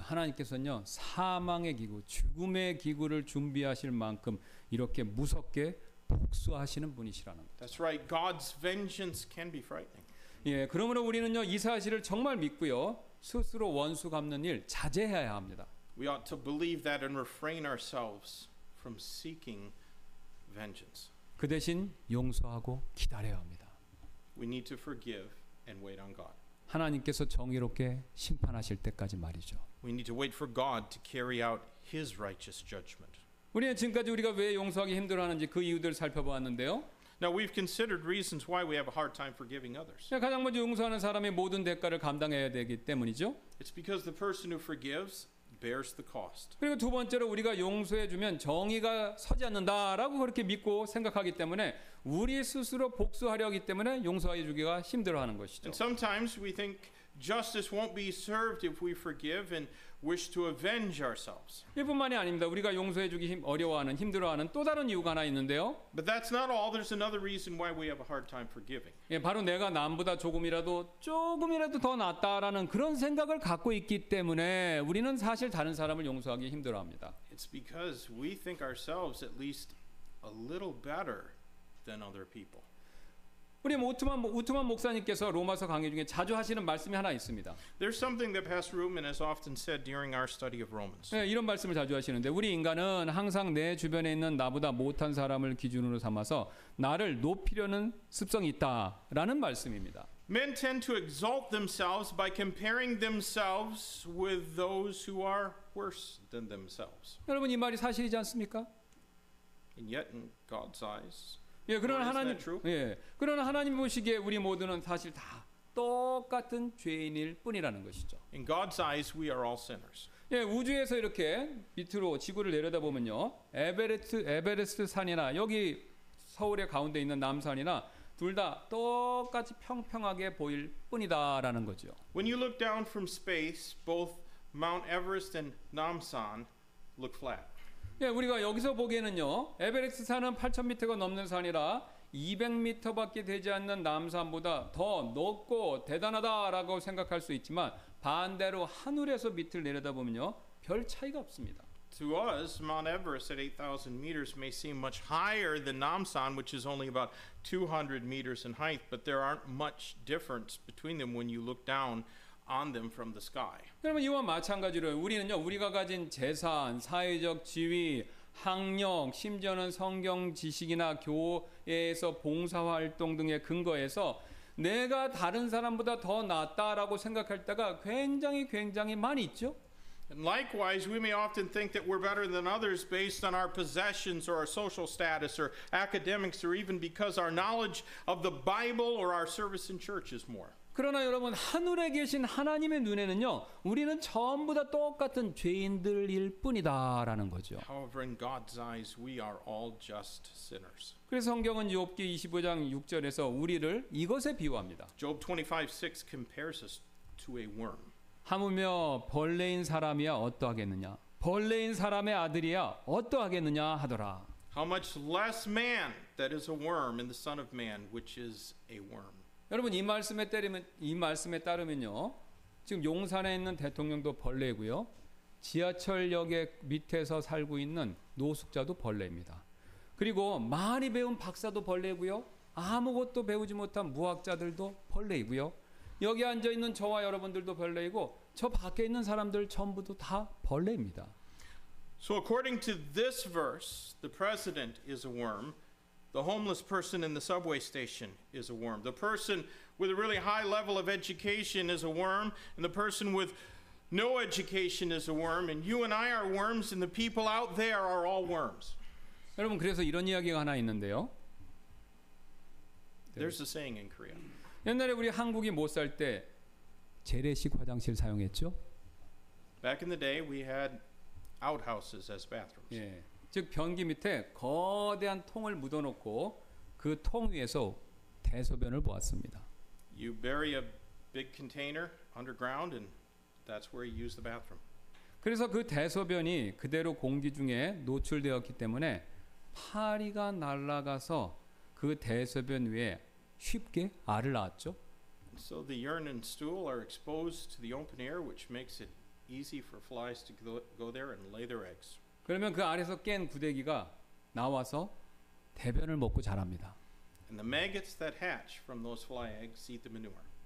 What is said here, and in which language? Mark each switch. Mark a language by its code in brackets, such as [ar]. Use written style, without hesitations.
[ko] 하나님께서는요 사망의 기구, 죽음의 기구를 준비하실 만큼 이렇게 무섭게 복수하시는 분이시라는 거죠. [en] That's right. God's vengeance can be frightening. [ko] 예, 그러므로 우리는요 이 사실을 정말 믿고요 스스로 원수 갚는 일 자제해야 합니다. [en] We ought to believe that and refrain ourselves from seeking vengeance. [ko] 그 대신 용서하고 기다려야 합니다. [en] We need to forgive and wait on God. [ko] 하나님께서 정의롭게 심판하실 때까지 말이죠. [en] We need to wait for God to carry out His righteous judgment. [ko] 우리는 지금까지 우리가 왜 용서하기 힘들어하는지 그 이유들을 살펴보았는데요. [en] Now we've considered reasons why we have a hard time forgiving others. [ko] 가장 먼저 용서하는 사람이 모든 대가를 감당해야 되기 때문이죠. [en] It's because the person who forgives bears the cost. [ko] 그리고 두 번째로 우리가 용서해 주면 정의가 서지 않는다라고 그렇게 믿고 생각하기 때문에 우리 스스로 복수하려기 때문에 용서해 주기가 힘들어하는 것이죠. [en] And sometimes we think justice won't be served if we forgive and wish to avenge ourselves. [ko] 이뿐만이 아닙니다. 우리가 용서해 주기 어려워하는 힘들어하는 또 다른 이유가 하나 있는데요. [en] But that's not all. There's another reason why we have a hard time forgiving. [ko] 예, 바로 내가 남보다 조금이라도 더 낫다라는 그런 생각을 갖고 있기 때문에 우리는 사실 다른 사람을 용서하기 힘들어합니다. [en] It's because we think ourselves at least a little better than other people. [ko] 우리 우트만 목사님께서 로마서 강의 중에 자주 하시는 말씀이 하나 있습니다. [en] There's something that Pastor Ruman has often said during our study of Romans. [ko] 네, 이런 말씀을 자주 하시는데 우리 인간은 항상 내 주변에 있는 나보다 못한 사람을 기준으로 삼아서 나를 높이려는 습성이 있다라는 말씀입니다. [en] Men tend to exalt themselves by comparing themselves with those who are worse than themselves. [ko] 여러분 이 말이 사실이지 않습니까? [en] And yet in God's eyes [ko] 예, 그러나 하나님, 예, 그러나 하나님 보시기에 우리 모두는 사실 다 똑같은 죄인일 뿐이라는 것이죠. [en] In God's eyes, we are all sinners. [ko] 예, 우주에서 이렇게 밑으로 지구를 내려다 보면요, 에베레스트 산이나 여기 서울의 가운데 있는 남산이나 둘 다 똑같이 평평하게 보일 뿐이다라는 거죠. [en] When you look down from space, both Mount Everest and Namsan look flat. [ko] 예, 우리가 여기서 보기에는요 에베레스트 산은 8,000m가 넘는 산이라 200m밖에 되지 않는 남산보다 더 높고 대단하다라고 생각할 수 있지만 반대로 하늘에서 밑을 내려다보면요 별 차이가 없습니다. [en] To us, Mount Everest at 8,000 meters may seem much higher than Namsan, which is only about 200 meters in height, but there aren't much difference between them when you look down. On them from the sky. [ko] 그러면 이와 마찬가지로 우리는요 우리가 가진 재산, 사회적 지위, 학력, 심지어는 성경 지식이나 교회에서 봉사 활동 등의 근거에서 내가 다른 사람보다 더 낫다라고 생각할 때가 굉장히 많이 있죠. [en] And likewise, we may often think that we're better than others based on our possessions or our social status or academics or even because our knowledge of the Bible or our service in church is more. [ko] 그러나 여러분 하늘에 계신 하나님의 눈에는요 우리는 전부 다 똑같은 죄인들일 뿐이다라는 거죠. [en] However, in God's eyes, we are all just sinners. [ko] 그래서 성경은 욥기 25장 6절에서 우리를 이것에 비유합니다. [en] Job 25:6 compares us to a worm. [ko] 하물며 벌레인 사람이야 어떠하겠느냐? 벌레인 사람의 아들이야 어떠하겠느냐 하더라. [en] How much less man that is a worm in the son of man which is a worm. [ko] 여러분 이 말씀에 따르면요 지금 용산에 있는 대통령도 벌레고요 지하철역의 밑에서 살고 있는 노숙자도 벌레입니다. 그리고 많이 배운 박사도 벌레고요 아무것도 배우지 못한 무학자들도 벌레이고요. 여기 앉아 있는 저와 여러분들도 벌레이고 저 밖에 있는 사람들 전부도 다 벌레입니다. [en] So according to this verse, the president is a worm. The homeless person in the subway station is a worm. The person with a really high level of education is a worm, and the person with no education is a worm, and you and I are worms, and the people out there are all worms. [ko] 여러분 그래서 이런 이야기가 하나 있는데요. [en] There's a saying in Korea. [ko] 옛날에 우리 한국이 못 살 때 재래식 화장실 사용했죠? [en] Back in the day, we had outhouses as bathrooms. [ko] 예, 즉 변기 밑에 거대한 통을 묻어놓고 그 통 위에서 대소변을 보았습니다. [en] You bury a big container underground, and that's where you use the bathroom. [ko] 그래서 그 대소변이 그대로 공기 중에 노출되었기 때문에 파리가 날아가서 그 대소변 위에 쉽게 알을 낳았죠. [en] So the urine and stool are exposed to the open air, which makes it easy for flies to go there and lay their eggs. [ko] 그러면 그 알에서 깬 구데기가 나와서 대변을 먹고 자랍니다. [en] And the maggots that hatch from those fly eggs eat the manure.